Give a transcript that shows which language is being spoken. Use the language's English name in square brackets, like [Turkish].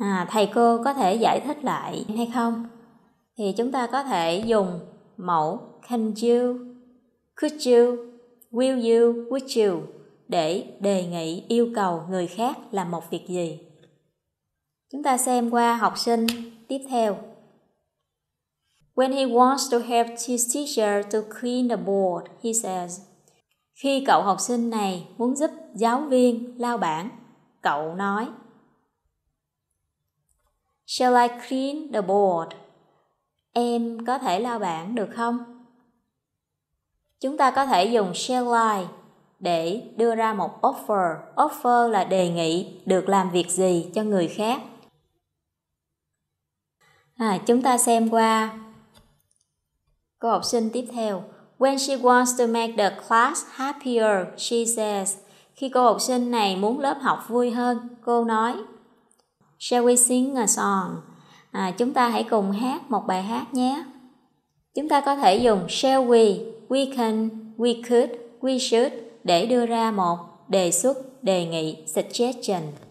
[Vietnamese] Thầy cô có thể giải thích lại hay không? Thì chúng ta có thể dùng mẫu [English] can you, could you, will you, would you [Vietnamese] để đề nghị yêu cầu người khác làm một việc gì. Chúng ta xem qua học sinh tiếp theo. [English] When he wants to help his teacher to clean the board, he says, [Vietnamese] khi cậu học sinh này muốn giúp giáo viên lau bảng, cậu nói, [English] shall I clean the board? [Vietnamese] Em có thể lau bảng được không? Chúng ta có thể dùng shall I để đưa ra một offer. Offer là đề nghị được làm việc gì cho người khác. Chúng ta xem qua câu học sinh tiếp theo. [English] When she wants to make the class happier, she says, [Vietnamese] khi cô học sinh này muốn lớp học vui hơn, cô nói, [English] shall we sing a song? [Vietnamese] Chúng ta hãy cùng hát một bài hát nhé. Chúng ta có thể dùng [English] shall we, we can, we could, we should [Vietnamese] để đưa ra một đề xuất, đề nghị, suggestion.